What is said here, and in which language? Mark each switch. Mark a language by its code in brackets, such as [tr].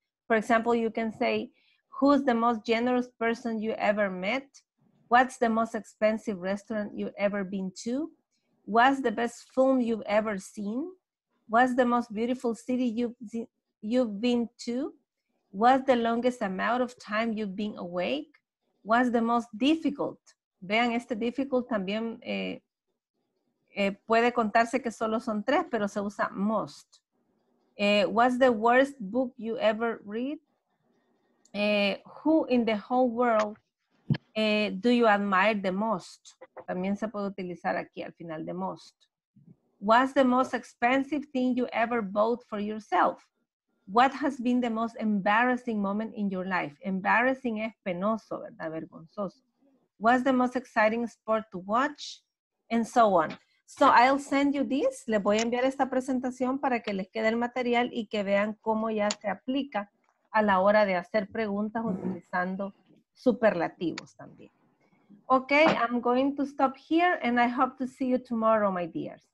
[en] For example, you can say, who's the most generous person you ever met? What's the most expensive restaurant you've ever been to? What's the best film you've ever seen? What's the most beautiful city you've been to? What's the longest amount of time you've been awake? What's the most difficult? [es] Vean, este difficult también puede contarse que solo son tres, pero se usa most. [en] What's the worst book you ever read? Who in the whole world do you admire the most? [es] También se puede utilizar aquí al final, [en] the most. What's the most expensive thing you ever bought for yourself? What has been the most embarrassing moment in your life? Embarrassing [es] es penoso, ¿verdad? Vergonzoso. [en] What's the most exciting sport to watch? And so on. So I'll send you this. [es] Le voy a enviar esta presentación para que les quede el material y que vean cómo ya se aplica a la hora de hacer preguntas utilizando superlativos también. [en] Okay, I'm going to stop here and I hope to see you tomorrow, my dears.